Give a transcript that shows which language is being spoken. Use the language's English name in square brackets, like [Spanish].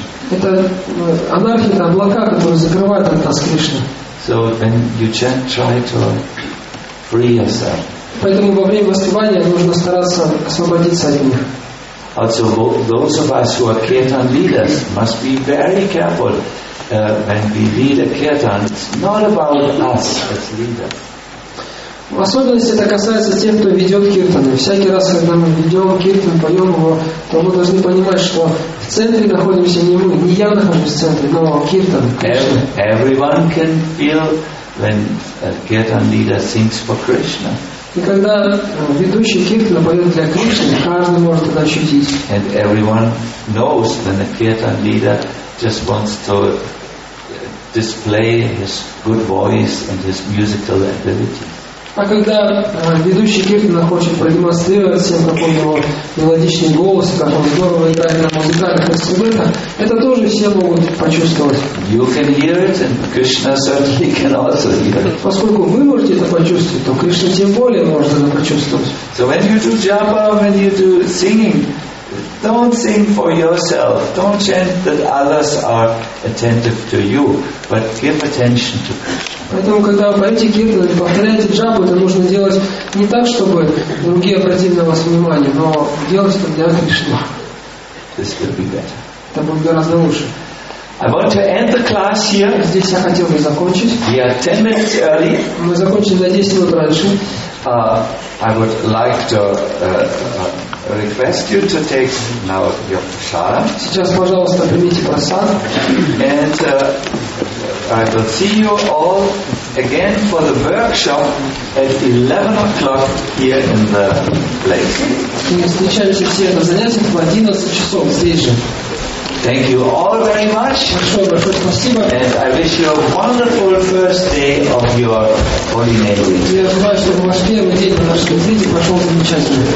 [Russian] Это анархи, это облака, которые закрывают от нас Кришну. [English] So when you chant, try to free yourself. [Russian] Поэтому во время воспевания нужно стараться освободиться от них. [English] Also, those of us who are kirtan leaders must be very careful. When we lead a kirtan, it's not about us as leaders. [Russian] В особенности это касается тех, кто ведет киртаны. Всякий раз, когда мы ведем киртан, поем его, то мы должны понимать, что в центре находимся не мы, не я нахожусь в центре, но киртан. [English] Everyone can feel when a kirtan leader sings for Krishna. [Russian] И когда ведущий киртана поет для Кришны, каждый может это ощутить. [English] And everyone knows when a kirtan leader just wants to display his good voice and his musical ability. [Russian] А когда ведущий киртана хочет продемонстрировать всем, какой его мелодичный голос, как он здорово играет на музыкальных инструментах, это тоже все могут почувствовать. [English] You can hear it, and Krishna certainly can also hear it. [Russian] Поскольку вы можете это почувствовать, то Кришна тем более может это почувствовать. [English] So when you do japa, when you do singing, don't sing for yourself. Don't chant that others are attentive to you, but give attention to Krishna. [Russian] Поэтому, когда вы поете киртан, повторяете джапу, это нужно делать не так, чтобы другие обратили на вас внимание, но делать это для Кришны. [English] This will be better. [Russian] Это будет гораздо лучше. [English] I want to end the class here. [Russian] Здесь я хотел бы закончить. [English] We are 10 minutes early. [Russian] Мы закончим за 10 минут раньше. [English] I would like to request you to take now your prasada. [Russian] Сейчас, пожалуйста, примите прасад. [English] And I will see you all again for the workshop at 11 o'clock here in the place. [Russian] И встречаемся все на занятиях в 11 часов здесь же. [English] Thank you all very much. And I wish you a wonderful first day of your holy name. [Russian] Я желаю, чтобы ваш первый день на нашем свете прошел замечательно.